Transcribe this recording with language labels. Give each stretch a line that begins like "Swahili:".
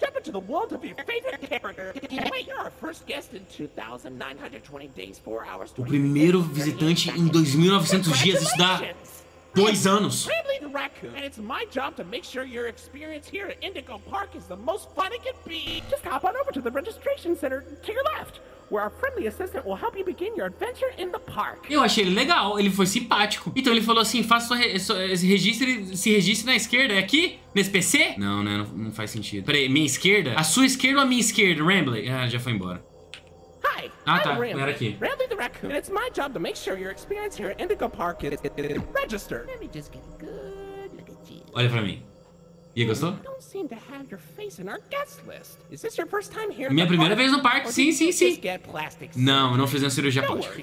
English: Jump into the world of your favorite character! Wait, you're our first guest in 2920 days, 4 hours, 20
Portuguese: O primeiro visitante em 2900 dias, isso dá 2 anos!
English: Rambley the Raccoon, and it's my job to make sure your experience here at Indigo Park is the most fun it can be! Just hop on over to the registration center to your left! Where our friendly assistant will help you begin your adventure in the park.
Portuguese: Eu achei ele legal, ele foi simpático. Então ele falou assim, faça se registre na esquerda, é aqui? Nesse PC? Não, né, não faz sentido. Peraí, minha esquerda? A sua esquerda ou a minha esquerda, Rambley? Ah, já foi embora.
English: Hi, ah, I'm
Portuguese: tá,
English: Rambley.
Portuguese: Era aqui.
English: Rambley the Raccoon, and it's my job to make sure your experience here at Indigo Park is registered. Let me just get a good look at you.
Portuguese: Olha pra mim. E gostou?
English: Don't seem to have your face in our guest list. Is this your first time here?
Portuguese: Minha primeira vez no parque. Sim, sim, sim. Não, eu não fiz a cirurgia plástica.